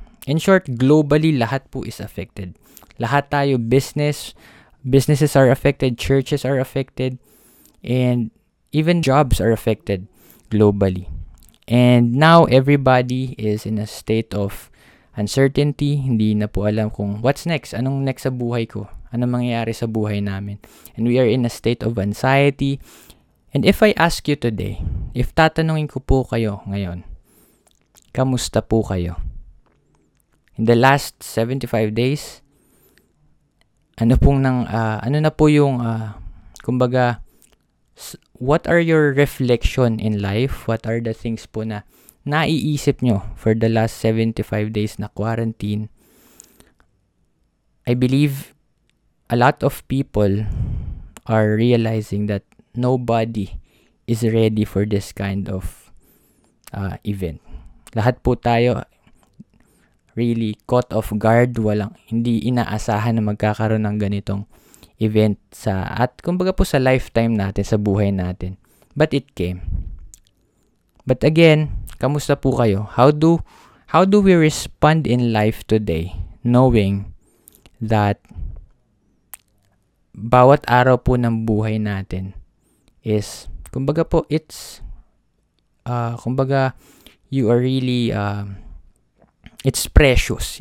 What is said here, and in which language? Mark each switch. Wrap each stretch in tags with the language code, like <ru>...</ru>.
<en>In short, globally,</en> <tl>lahat po</tl> <en>is affected.</en> <tl>Lahat tayo,</tl> <en>businesses are affected, churches are affected, and even jobs are affected globally. And now, everybody is in a state of uncertainty.</en> <tl>Hindi na po alam kung</tl> <en>what's next,</en> <tl>anong next sa buhay ko. Ano mangyayari sa buhay namin?</tl> <en>And we are in a state of anxiety. And if I ask you today, if</en> <tl>tatanungin ko po kayo ngayon, kamusta po kayo?</tl> <en>In the last 75 days, what are your reflection in life? What are the things</en> <tl>po na naiisip nyo</tl> <en>for the last 75 days na quarantine? I believe a lot of people are realizing that nobody is ready for this kind of event.</en> <tl>Lahat po tayo</tl> <en>really caught off guard.</en> <tl>Walang, hindi inaasahan na magkakaroon ng ganitong event sa, at kumbaga po sa lifetime natin, sa buhay natin.</tl> <en>But it came. But again,</en> <tl>kamusta po kayo?</tl> <en>How do we respond in life today knowing that</en> <tl>bawat araw po ng buhay natin</tl> <en>is,</en> <tl>kumbaga po,</tl> <en>it's, kumbaga, you are really, it's precious.</en>